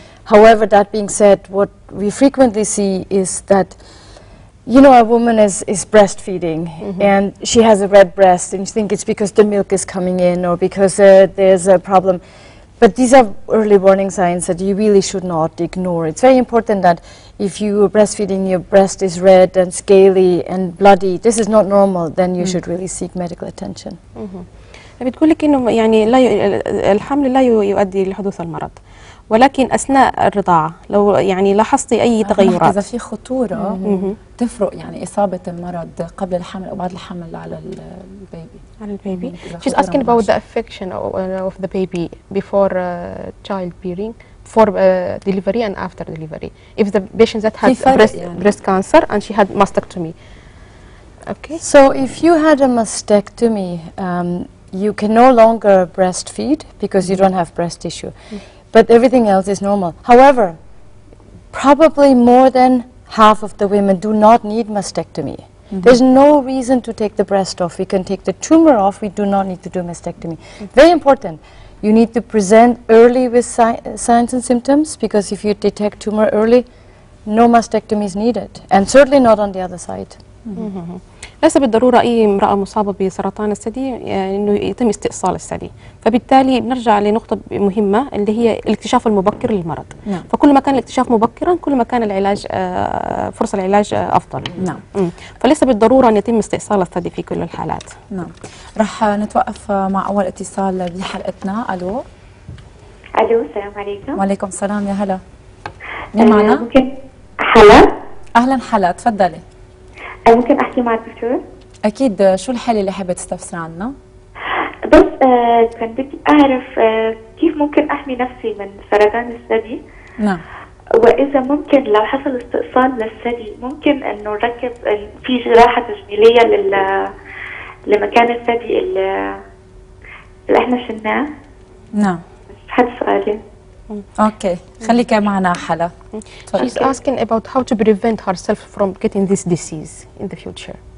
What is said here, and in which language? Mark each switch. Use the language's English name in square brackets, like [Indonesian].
[English] However, that being said, what we frequently see is that, you know, a woman is breastfeeding, and she has a red breast, and you think it's because the milk is coming in or because there's a problem. But these are early warning signs that you really should not ignore. It's very important that if you are breastfeeding, your breast is red and scaly and bloody, this is not normal, then you should really seek medical attention. [Arabic] بتقول لك انه يعني لا الحمل لا يؤدي لحدوث المرض، ولكن اثناء الرضاعه لو يعني لاحظتي اي تغيرات، اذا في خطوره تفرق يعني اصابه المرض قبل الحمل او بعد الحمل على البيبي. على البيبي. [English] She's asking about the affection of the baby before childbearing, for delivery and after delivery. If the patient that had breast cancer and she had mastectomy. Okay. So if you had a mastectomy, you can no longer breastfeed because you don't have breast tissue. But everything else is normal. However, probably more than half of the women do not need mastectomy. There's no reason to take the breast off. We can take the tumor off. We do not need to do mastectomy. Very important. You need to present early with signs and symptoms, because if you detect tumor early, no mastectomy is needed. And certainly not on the other side. [Arabic] ليس بالضرورة أي امرأة مصابة بسرطان الثدي أنه يتم استئصال الثدي، فبالتالي نرجع لنقطة مهمة اللي هي الاكتشاف المبكر للمرض. نعم. فكل ما كان الاكتشاف مبكرا كل ما كان العلاج فرص العلاج أفضل. نعم. فليس بالضرورة أن يتم استئصال الثدي في كل الحالات. نعم. رح نتوقف مع أول اتصال بحلقتنا. ألو. ألو، السلام عليكم. وعليكم السلام، يا هلا. مين معنا؟ حلا. أهلا حلا، تفضلي. ممكن احكي مع الدكتور؟ اكيد. شو الحل اللي حابه تستفسر عنه؟ بس كنت بدي اعرف كيف ممكن احمي نفسي من سرطان الثدي. نعم. واذا ممكن لو حصل استئصال للثدي ممكن انه نركب في جراحه تجميليه لمكان الثدي اللي احنا شلناه. نعم. حد سؤال؟ Okay. خليك معنا حلا. [English] She's asking about how to prevent herself from getting this disease in the future.